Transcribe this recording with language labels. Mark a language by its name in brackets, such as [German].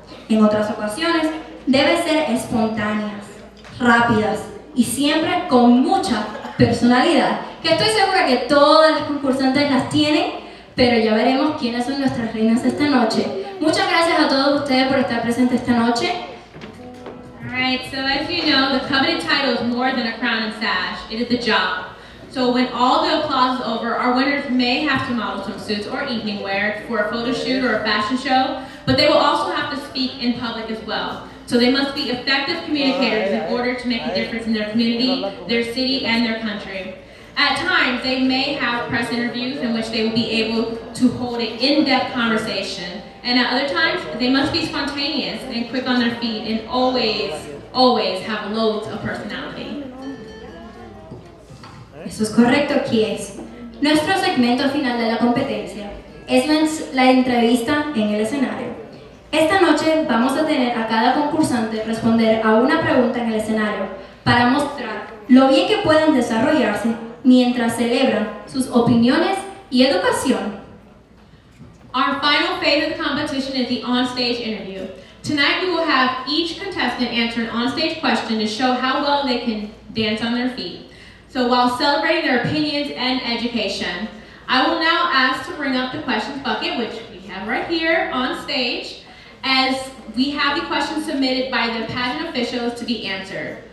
[Spanish] en otras ocasiones, deben ser espontáneas, rápidas y siempre con mucha personalidad, que estoy segura que todas las concursantes las tienen, pero ya veremos quiénes son nuestras reinas esta noche. Muchas gracias a todos ustedes por estar presentes esta noche. [English] Alright, so as you know, the coveted title is more than a crown and sash, it is a job. So when all the applause is over, our winners may have to model some suits or evening wear for a photo shoot or a fashion show, but they will also have to speak in public as well. So they must be effective communicators in order to make a difference in their community, their city, and their country. At times, they may have press interviews in which they will be able to hold an in-depth conversation. And at other times, they must be spontaneous and quick on their feet and always, always have loads of personality. [Spanish] Eso es correcto, Kies. Nuestro segmento final de la competencia es la entrevista en el escenario. Esta noche vamos a tener a cada concursante responder a una pregunta en el escenario para mostrar lo bien que pueden desarrollarse mientras celebran sus opiniones y educación. [English] Our final phase of the competition is the on-stage interview. Tonight we will have each contestant answer an on-stage question to show how well they can dance on their feet. So while celebrating their opinions and education, I will now ask to bring up the questions bucket, which we have right here on stage, as we have the questions submitted by the pageant officials to be answered.